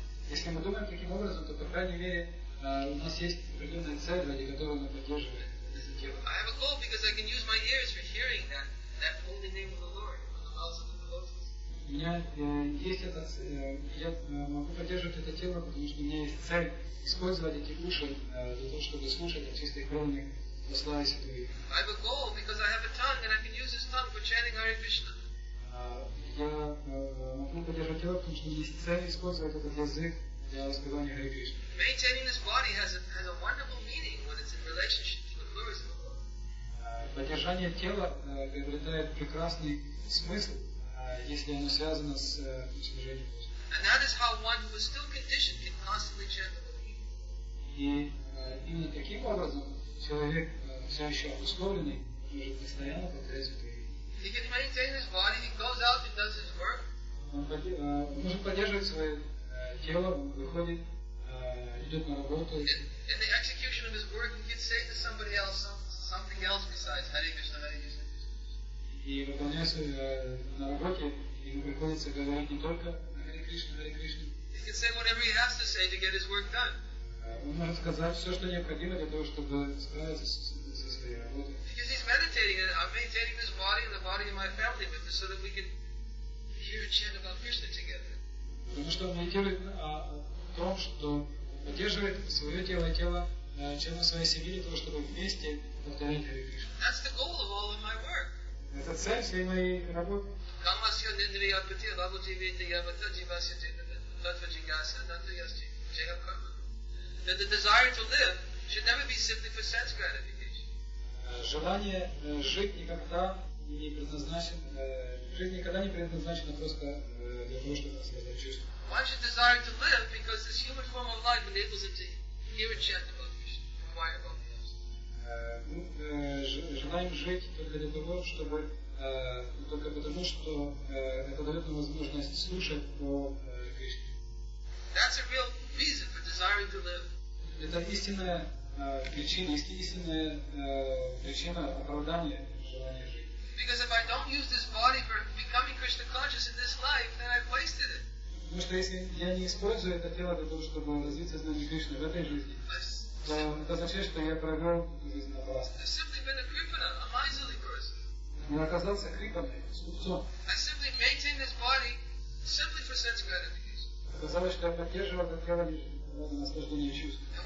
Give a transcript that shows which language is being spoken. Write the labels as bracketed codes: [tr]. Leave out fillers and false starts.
[ru] Если мы думаем таким образом, то, по крайней мере, у нас есть определенная цель, ради которой мы поддерживаем это тело. [en] I have a goal because I can use my ears for hearing that holy name of the Lord from the mouths of the devotees. [ru] Я могу поддерживать это тело, потому что у меня есть цель использовать эти уши для того, чтобы слушать от чистых преданных знаю себе. [en] I have a goal because I have a tongue and I can use this tongue for chanting Hare Krishna. [ru] Я могу поддерживать тело, потому что есть цель использовать этот язык для воспевания Hare Krishna. [en] Maintaining this body has a wonderful meaning when it's in relationship to the Purusha. [ru] Поддержание тела приобретает прекрасный смысл, если оно связано с служением. [en] And that is how one who is still conditioned can constantly chant. [ru] И именно таким образом человек все еще обусловленный может постоянно повторять. [en] He can maintain his body. He goes out and does his work. [ru] Может поддерживать свое тело, выходит, идет на работу. [en] In the execution of his work, he can say to somebody else something else besides Hare Krishna, Hare Krishna. [ru] И выполняя свою на работе, ему приходится говорить не только Hare Krishna, Hare Krishna. [en] He can say whatever he has to say to get his work done. [ru] Он может сказать все, что необходимо для того, чтобы справиться со своей работой. [en] Because he's meditating, and I'm maintaining this body and the body of my family members so that we can hear and chant about Krishna together. [ru] Потому что он медитирует о том, что поддерживает свое тело и тело членов своей семьи для того, чтобы вместе повторять Hare Krishna. [en] That's the goal of all of my work. [ru] Это цель всей моей работы. [sa] Камасья дендрия патия бабути вита ямата дживасья дитва джигаса натуясти джигакарма. [en] That the desire to live should never be simply for sense gratification. [ru] Желание жить никогда не предназначено, жизнь никогда не предназначена просто для того, чтобы наслаждаться чувством. [en] Why should desire to live? Because this human form of life enables it to hear and chant about Krishna, inquire about the absolute. [ru] Желаем жить только для того, чтобы только потому, что это дает нам возможность слушать о Кришне. [en] That's a real reason for desiring to live. [ru] Это истинная причина, истинная причина оправдания желания жить. [en] Because if I don't use this body for becoming Krishna conscious in this life, then I've wasted it. [ru] Потому что если я не использую это тело для того, чтобы развить сознание Кришны в этой жизни, то это означает, что я провел жизнь напрасно. [en] I've simply been a kripana, a miserly person. [ru] Я оказался криппаной, скупцом. [en] I simply maintain this body simply for sense gratification. [ru] Оказалось, что я поддерживал это тело ради наслаждения чувств.